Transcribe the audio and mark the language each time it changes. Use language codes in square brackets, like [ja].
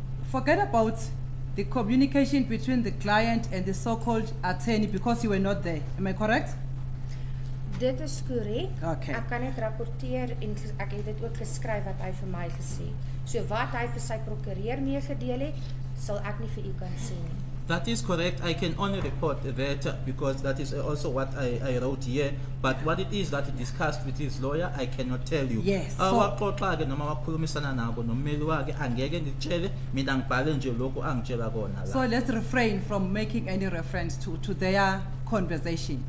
[en] Forget about the communication between the client and the so-called attorney because you were not there. Am I correct? [af] Dit is korrek. [en] Okay. [af] Ek kan net rapporteer en ek het dit ook geskryf wat hy vir my gesê. So wat hy vir sy prokureur meegedeel het, sal ek nie vir u kan sê nie. [en] That is correct. I can only report that because that is also what I wrote here. But what it is that he discussed with his lawyer, I cannot tell you. Yes. [zu] Wakhoxa ke noma wakhulumisana nako nommeli wakhe angeke ngitshele, mina ngibhale nje lokhu angitshela kona la. [en] So let's refrain from making any reference to their conversation.